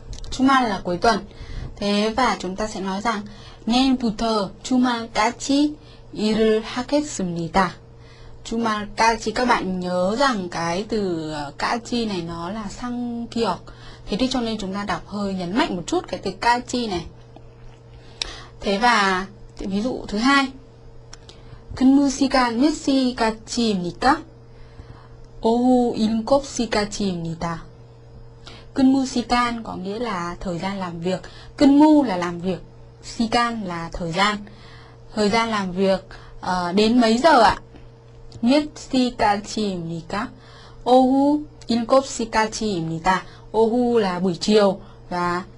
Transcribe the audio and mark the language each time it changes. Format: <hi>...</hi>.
<vi>Chủ nhật là cuối tuần. Thế và chúng ta sẽ nói rằng nên 부터 주말까지 일을 하겠습니다. 주말까지 các bạn nhớ rằng cái từ 까지 này nó là 상기역. Thế thì cho nên chúng ta đọc hơi nhấn mạnh một chút cái từ 까지 này. Thế và ví dụ thứ hai.</vi> <ko>근무 시간 몇 시까지입니까? 오후 7시까지입니다.</ko> <vi>근무 시간 có nghĩa là thời gian làm việc. 근무 là làm việc. 시간 là thời gian. Thời gian làm việc đến mấy giờ ạ?</vi> <ko>몇 시까지입니까?</ko> <vi>오후 7시까지입니다. 오후 là buổi chiều và</vi>